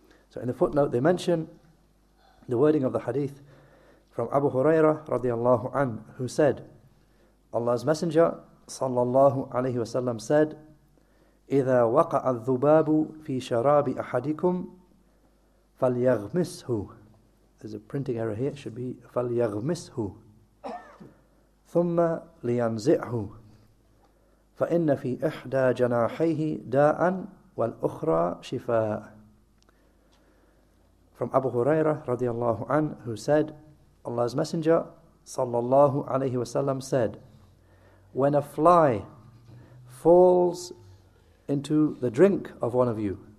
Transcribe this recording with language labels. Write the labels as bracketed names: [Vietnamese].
[English] So in the footnote, they mention the wording of the hadith from Abu Huraira radiallahu an, who said, Allah's Messenger sallallahu alayhi wasallam said, [Arabic] إِذَا وَقَعَ الذُّبَابُ فِي شَرَابِ أَحَدِكُمْ فَلْيَغْمِسْهُ. [English] There's a printing error here, it should be [Arabic] فَلْيَغْمِسْهُ ثُمَّ لِيَنْزِعْهُ فَإِنَّ فِي إِحْدَى جَنَاحَيْهِ دَاءً وَالْأُخْرَى شِفَاءً. [English] From Abu Huraira radiallahu an, who said, Allah's Messenger sallallahu alayhi wasallam said, when a fly falls into the drink of one of you,